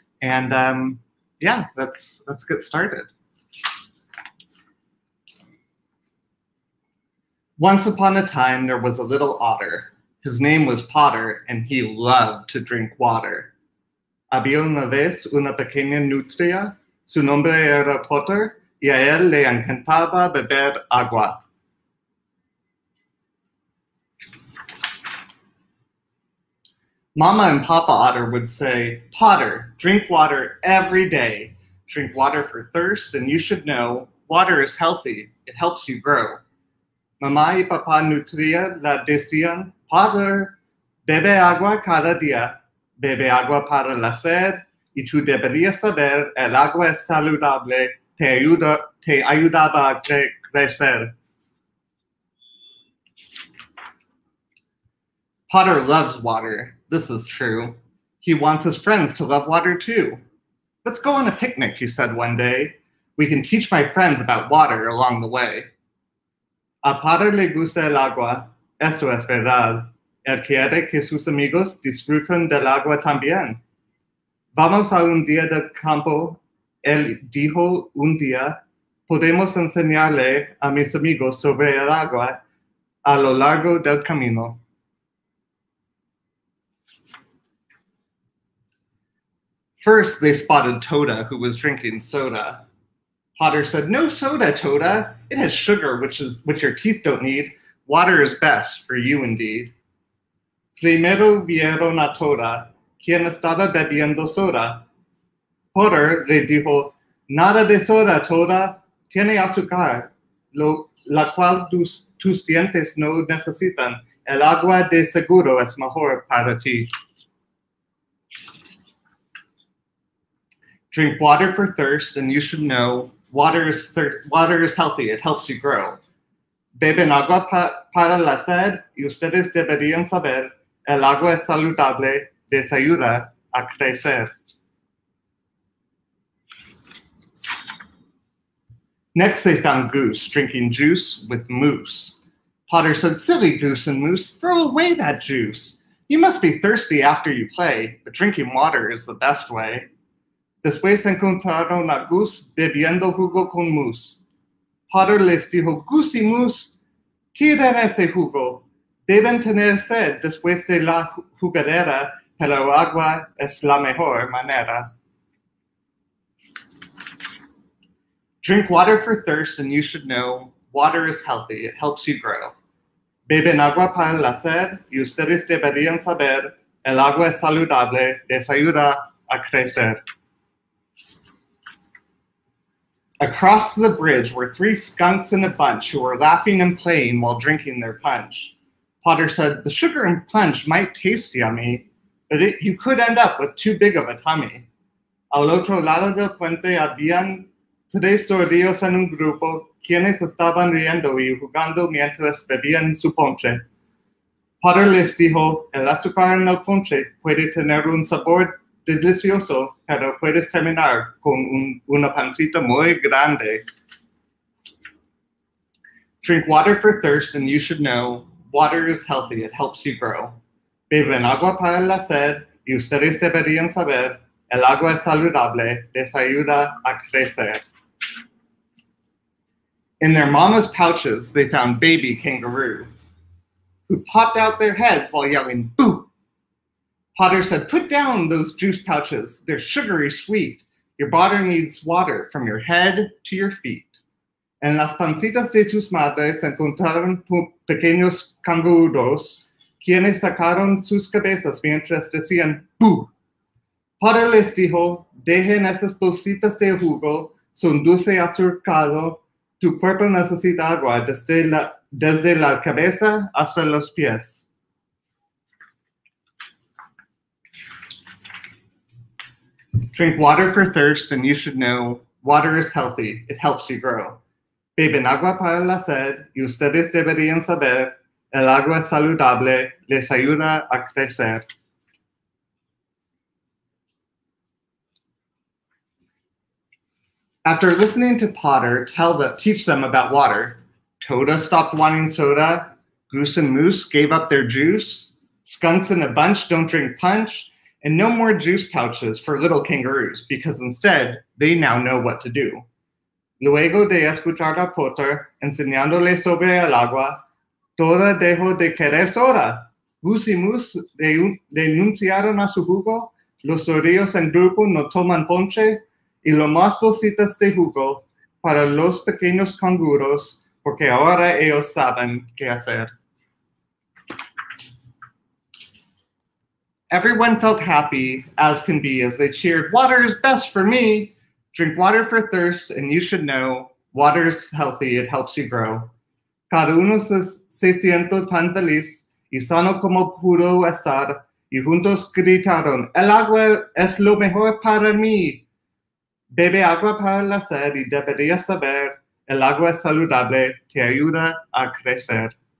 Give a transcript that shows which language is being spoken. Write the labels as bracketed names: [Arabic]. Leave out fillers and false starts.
[English] And let's get started. Once upon a time, there was a little otter. His name was Potter, and he loved to drink water. [Spanish] Había una vez una pequeña nutria. Su nombre era Potter, y a él le encantaba beber agua. [English] Mama and Papa Otter would say, "Potter, drink water every day. Drink water for thirst, and you should know, water is healthy, it helps you grow. [Spanish] Mama y Papa Nutria la decían, Potter, bebe agua cada día, bebe agua para la sed, y tú deberías saber, el agua es saludable, te ayudaba a crecer." [English] Potter loves water, this is true. He wants his friends to love water too. "Let's go on a picnic," he said one day. "We can teach my friends about water along the way." [Spanish] A Potter le gusta el agua, esto es verdad. Él quiere que sus amigos disfruten del agua también. "Vamos a un día del campo," él dijo un día. "Podemos enseñarle a mis amigos sobre el agua a lo largo del camino." [English] First, they spotted Tota, who was drinking soda. Potter said, "No soda, Tota. It has sugar, which your teeth don't need. Water is best for you, indeed." [Spanish] Primero vieron a Tota, quien estaba bebiendo soda. Potter le dijo, "Nada de soda, Tota. Tiene azúcar, la cual tus dientes no necesitan. El agua de seguro es mejor para ti." [English] "Drink water for thirst, and you should know, water is healthy, it helps you grow. [Spanish] Beben agua para la sed, y ustedes deberían saber, el agua es saludable, les ayuda a crecer." [English] Next, they found Goose drinking juice with Moose. Potter said, "Silly Goose and Moose, throw away that juice. You must be thirsty after you play, but drinking water is the best way." [Spanish] Después encontraron a Gus bebiendo jugo con Moose. Potter les dijo, "Gus y Moose, tiren ese jugo. Deben tener sed después de la jugadera, pero agua es la mejor manera." [English] "Drink water for thirst, and you should know, water is healthy, it helps you grow. [Spanish] Beben agua para la sed, y ustedes deberían saber, el agua es saludable, les ayuda a crecer." [English] Across the bridge were three skunks in a bunch who were laughing and playing while drinking their punch. Potter said, "The sugar in punch might taste yummy, but you could end up with too big of a tummy." [Spanish] Al otro lado del puente habían tres zorrillos en un grupo quienes estaban riendo y jugando mientras bebían su ponche. Potter les dijo, "El azúcar en el ponche puede tener un sabor delicioso, pero puedes terminar con una pancita muy grande." [English] "Drink water for thirst, and you should know, water is healthy, it helps you grow. [Spanish] Beben agua para la sed, y ustedes deberían saber, el agua es saludable, les ayuda a crecer." [English] In their mama's pouches, they found baby kangaroo, who popped out their heads while yelling, "Boo!" Potter said, "Put down those juice pouches. They're sugary sweet. Your body needs water from your head to your feet." [Spanish] En las pancitas de sus madres encontraron pequeños canguros, quienes sacaron sus cabezas mientras decían, "Boo!" Potter les dijo, "Dejen esas bolsitas de jugo. Son dulce azucarado. Tu cuerpo necesita agua desde la cabeza hasta los pies." [English] "Drink water for thirst, and you should know, water is healthy, it helps you grow. [Spanish] Beben agua para la sed, y ustedes deberían saber, el agua saludable les ayuda a crecer." [English] After listening to Potter teach them about water, Tota stopped wanting soda, Goose and Moose gave up their juice, skunks in a bunch don't drink punch, and no more juice pouches for little kangaroos, because instead, they now know what to do. [Spanish] Luego de escuchar a Potter enseñándole sobre el agua, Tota dejó de querer soda. Goose y Moose denunciaron a su jugo, los zorrillos en grupo no toman ponche, y lo más bolsitas de jugo para los pequeños canguros, porque ahora ellos saben qué hacer. [English] Everyone felt happy, as can be, as they cheered, "Water is best for me. Drink water for thirst, and you should know, water's healthy, it helps you grow. [Spanish] Cada uno se siento tan feliz, y sano como pudo estar, y juntos gritaron, el agua es lo mejor para mí. Bebe agua para la sed, y deberías saber, el agua es saludable, te ayuda a crecer."